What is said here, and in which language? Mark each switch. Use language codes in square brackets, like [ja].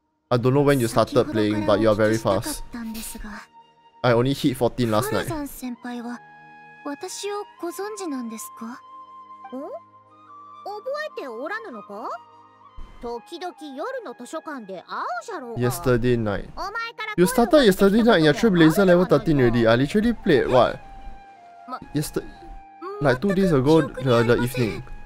[en] I don't know when you started playing, but you're very fast. I only hit 14 last night. [ja] ハルザン先輩は、私をご存知なんですか？ん？覚えておらぬのか？時々夜の図書館で会うじゃろうか。 [en] Yesterday night. You started yesterday night in your Trailblazer level 13 already. I literally played what? Yesterday, like 2 days ago, the evening.